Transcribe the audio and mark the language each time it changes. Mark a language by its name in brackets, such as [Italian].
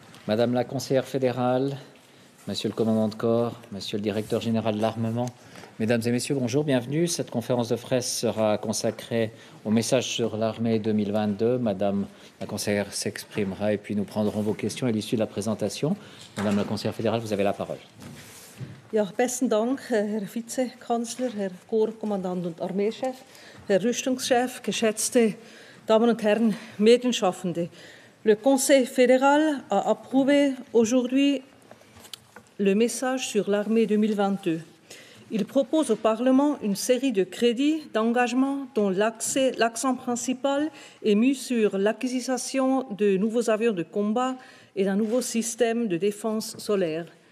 [French] Madame la conseillère fédérale, Monsieur le commandant de corps, Monsieur le directeur général de l'armement, Mesdames et Messieurs, bonjour, bienvenue. Cette conférence de presse sera consacrée au message sur l'armée 2022. Madame la conseillère s'exprimera et puis nous prendrons vos questions à l'issue de la présentation. Madame la conseillère fédérale, vous avez la parole. [German] Ja, besten Dank, Herr Vizekanzler, Herr Korpskommandant und Armeechef, Herr Rüstungschef, geschätzte Damen und Herren Medienschaffende. [French] Le Conseil fédéral a approuvé aujourd'hui le message sur l'armée 2022. Il propose au Parlement une série de crédits d'engagement dont l'accent principal est mis sur l'acquisition de nouveaux avions de combat et d'un nouveau système de défense solaire.